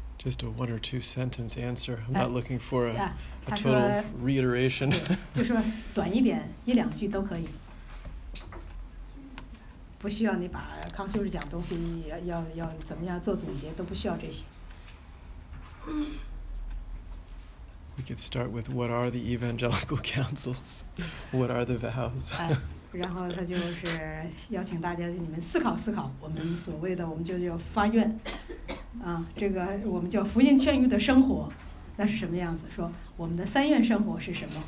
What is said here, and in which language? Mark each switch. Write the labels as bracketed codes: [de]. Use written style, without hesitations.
[en] Just a one or two sentence answer. I'm not looking for a total reiteration. [zh] 就说短一点，一两句都可以。不需要你把康修士讲东西要怎么样做总结，都不需要这些。 [en] We could start with what are the evangelical councils? What are the vows? [zh] 然后他就是邀请大家你们思考思考，我们所谓的我们就叫发愿，啊，这个我们叫福音劝谕的生活，那是什么样子？说我们的三愿生活是什么？